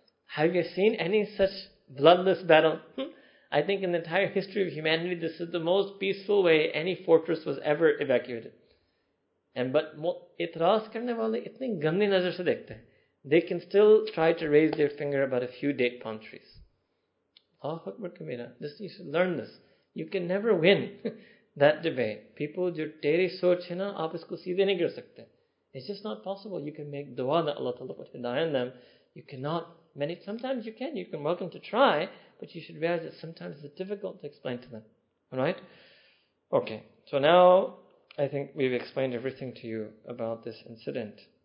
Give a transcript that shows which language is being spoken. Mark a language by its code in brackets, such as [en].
[en] Have you seen any such bloodless battle? I think in the entire history of humanity, this is the most peaceful way any fortress was ever evacuated. And but [ur] itraz karne wale itni gandi nazar se dekhte hain. [en] They can still try to raise their finger about a few date palm trees. Allahu Akbar Kabira. This, you should learn this. You can never win that debate. [ur] People جو تیری سوچ ہے نا، آپ اسکو سیدھے نہیں کر سکتے۔ [en] It's just not possible. You can make dua that Allah Ta'ala put hidayah on them. You cannot. Many sometimes you can. You can welcome to try, but you should realize that sometimes it's difficult to explain to them. Alright? Okay. So now I think we've explained everything to you about this incident.